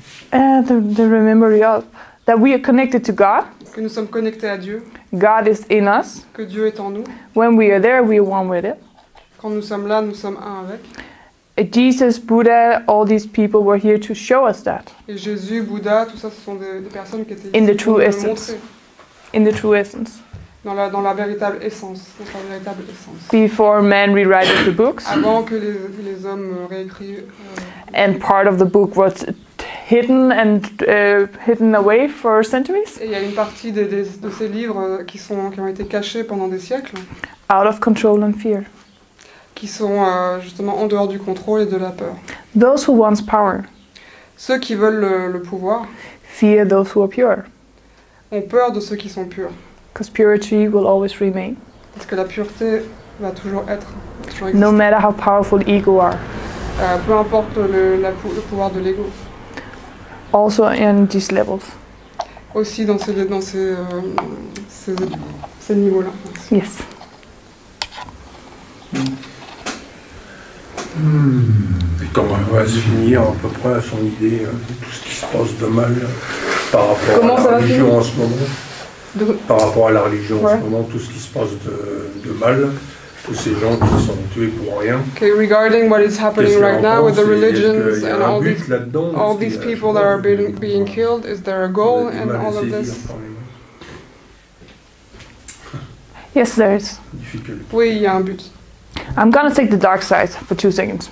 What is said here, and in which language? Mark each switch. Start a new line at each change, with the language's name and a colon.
English: the memory of that we are connected to God.
French: Que nous sommes connectés à Dieu.
English: God is in us.
French: Que Dieu est en nous.
English: When we are there, we are one with it.
French: Quand nous sommes là, nous sommes un avec.
English: Jesus, Buddha, all these people were here to show us that.
French: Et Jésus, Bouddha, tout ça, ce sont des personnes qui étaient
English: in the true essence. In the true essence.
French: Dans la véritable essence, dans la véritable essence.
English: Before man rewrote the books.
French: Avant que les hommes réécrivent.
English: And part of the book was hidden and hidden away for centuries.
French: Et il y a une partie de ces livres qui ont été cachés pendant des siècles.
English: Out of control and fear.
French: Qui sont justement en dehors du contrôle et de la peur.
English: Those who want power.
French: Ceux qui veulent le pouvoir.
English: Fear those who are pure.
French: Ont peur de ceux qui sont purs.
English: Because purity will always remain.
French: Parce que la pureté va toujours être. Toujours
English: no matter how powerful ego are.
French: Peu importe le pouvoir de l'ego.
English: Also in these levels.
French: Aussi dans ces niveaux-là.
English: Yes.
French: Et comment on va se finir à peu près à son idée de tout ce qui se passe de mal par rapport comment à la religion en ce moment de... Par rapport à la religion en ce moment, tout ce qui se passe de mal, tous ces gens qui sont tués pour rien.
English: Okay, regarding what is happening right now with the religions and all these people that are being killed, is there a goal and all of this? Yes, there is.
French: Oui, il y a un but.
English: I'm gonna take the dark side for 2 seconds.